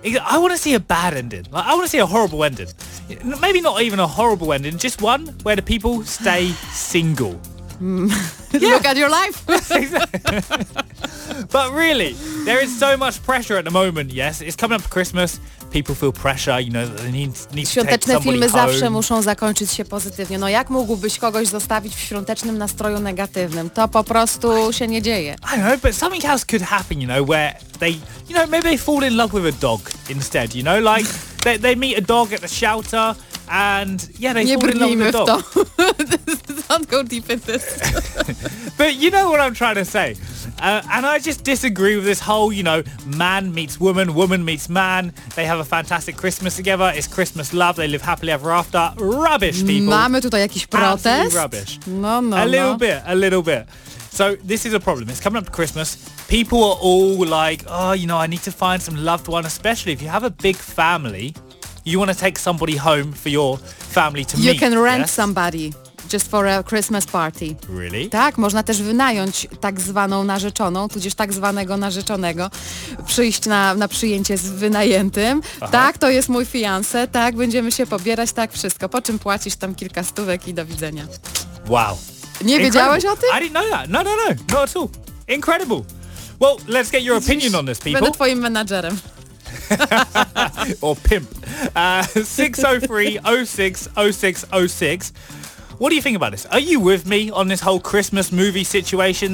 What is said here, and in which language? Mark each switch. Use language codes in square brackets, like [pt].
[en] I want to see a bad ending. Like, I want to see a horrible ending. Maybe not even a horrible ending. Just one where the people stay single. Look at your life. But really, there is so much pressure at the moment. Yes, it's coming up for Christmas. People feel pressure, you know, they need to take somebody home. [pl] Świąteczne filmy zawsze muszą zakończyć się pozytywnie. No jak mógłbyś kogoś zostawić w świątecznym nastroju negatywnym? To po prostu się nie dzieje. [en] I know, but something else could happen, you know, where they, you know, maybe they fall in love with a dog instead, you know, like they meet a dog at the shelter. And yeah, they fall in love with the dog. Don't go deep in this. But you know what I'm trying to say. And I just disagree with this whole, you know, man meets woman, woman meets man. They have a fantastic Christmas together. It's Christmas love. They live happily ever after. Rubbish, people. [pl] Mamy tutaj jakiś protest? [en] Absolutely rubbish. No. A little bit. So this is a problem. It's coming up to Christmas. People are all like, oh, you know, I need to find some loved one, especially if you have a big family. You want to take somebody home for your family to meet. You can rent somebody just for a Christmas party. Really? [pl] Tak, można też wynająć tak zwaną narzeczoną, tudzież tak zwanego narzeczonego, przyjść na przyjęcie z wynajętym. Aha. Tak, to jest mój fiancé, tak, będziemy się pobierać, tak, wszystko. Po czym płacisz tam kilka stówek i do widzenia. [en] Wow. [pl] Nie [en] Incredible. [pl] Wiedziałeś o tym? [en] I didn't know that. No, not at all. Incredible. Well, let's get your opinion on this, people. [pl] Będę twoim menadżerem. [en] Or pimp. 603-06-06-06. What do you think about this? Are you with me on this whole Christmas movie situation?